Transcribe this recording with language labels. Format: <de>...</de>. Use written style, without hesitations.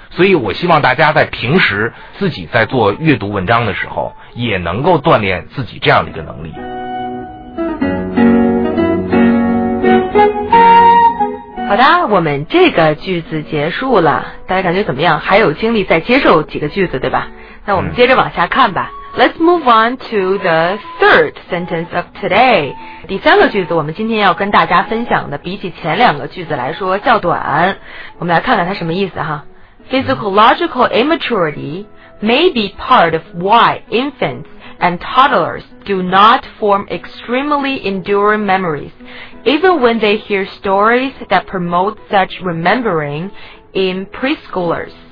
<zh>所以我希望大家在平时自己在做阅读文章的时候，也能够锻炼自己这样的一个能力。好的，我们这个句子结束了，大家感觉怎么样？还有精力再接受几个句子，对吧？那我们接着往下看吧。</zh> <en>Let's move on to the third sentence of today.</en> <zh>第三个句子我们今天要跟大家分享的比起前两个句子来说较短。我们来看看它什么意思哈。</zh> <en>Physiological immaturity may be part of why infants and toddlers do not form extremely enduring memories, even when they hear stories that promote such remembering in preschoolers.</en>